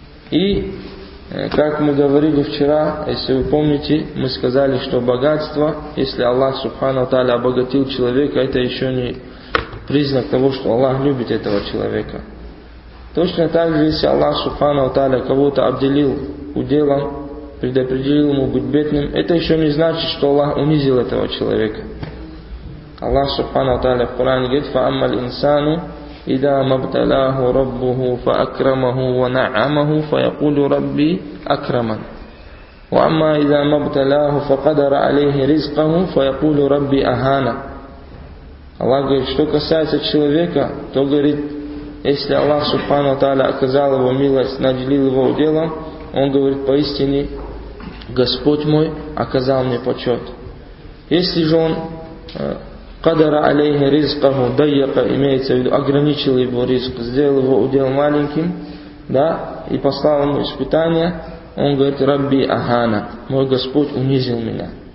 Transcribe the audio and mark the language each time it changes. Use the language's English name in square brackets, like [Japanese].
[Russian] И как мы говорили вчера, если вы помните, мы сказали, что богатство, если Аллах Субхана ва Тааля обогатил человека, это еще не признак того, что Аллах любит этого человека. Точно так же, если Аллах Субхана ва Тааля кого-то обделил уделом, предопределил ему быть бедным, это еще не значит, что Аллах унизил этого человека. Аллах Субхана ва Тааля в Коране говорит: [Arabic] «Фаамма линсану». إذا مبتلاه ربه فأكرمه ونعمه فيقول ربي أكرمن وأما إذا مبتلاه فقدر عليه رزقه فيقول ربي أهانا. [Russian] Аллах говорит, что касается человека, то говорит, если Аллах Субхана ва Тааля оказал его милость, наделил его уделом, он говорит, поистине Господь мой оказал мне почет. Если же он [Arabic] قدر عليه رزقه ضيق, [Russian] имеется в виду ограничил его риск, сделал его удел маленьким, да, и послал ему испытание, он говорит: Рабби ахана, мой Господь унизил меня.